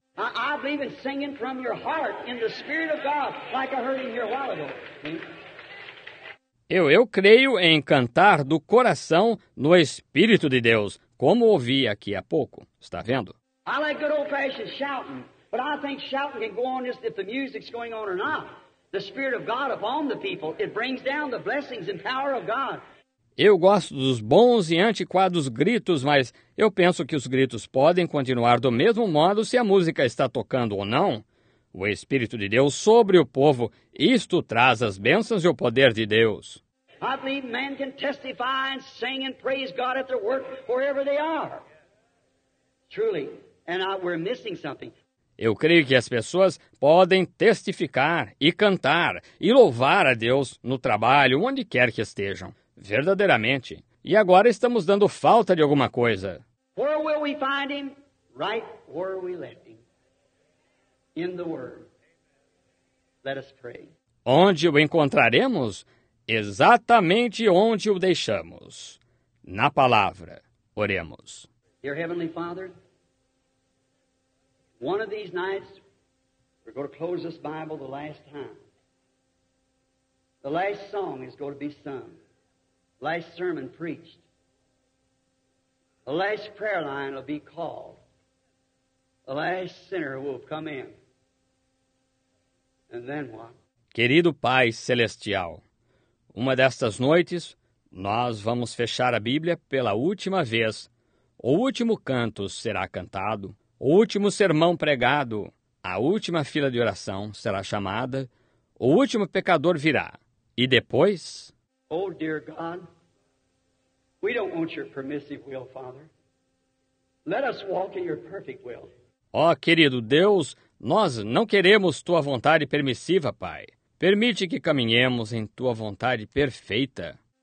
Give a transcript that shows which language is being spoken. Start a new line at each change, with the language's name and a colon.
English: I believe in singing from your heart in the Spirit of God, like I heard in here a while ago.
Portuguese: Eu creio em cantar do coração no Espírito de Deus, como ouvi aqui há pouco. Está vendo?
English: I like good old-fashioned shouting, but I think shouting can go on just if the music's going on or not. The Spirit of God upon the people, it brings down the blessings and power of God.
Portuguese: Eu gosto dos bons e antiquados gritos, mas eu penso que os gritos podem continuar do mesmo modo se a música está tocando ou não. O Espírito de Deus sobre o povo, isto traz as bênçãos e o poder de Deus.
English: I believe man can testify and sing and praise God at their work wherever they are. Truly, and we're missing something.
Portuguese: Eu creio que as pessoas podem testificar e cantar e louvar a Deus no trabalho, onde quer que estejam. Verdadeiramente. E agora estamos dando falta de alguma coisa.
English: Where will we find him? Right where we left him. In the Word. Let us pray.
Portuguese: Onde o encontraremos? Exatamente onde o deixamos. Na palavra. Oremos.
English: Dear Heavenly Father, one of these nights, we're going to close this Bible the last time. The last song is going to be sung. Last sermon preached. The last prayer line will be called. The last sinner will come in. And then what?
Portuguese: Querido Pai Celestial, uma destas noites, nós vamos fechar a Bíblia pela última vez. O último canto será cantado. O último sermão pregado. A última fila de oração será chamada. O último pecador virá. E depois?
English: Oh, dear God, we don't want your permissive will, Father. Let us walk in your perfect will.
Portuguese: Oh, querido Deus, nós não queremos tua vontade permissiva, Pai. Permite que caminhemos em tua vontade perfeita.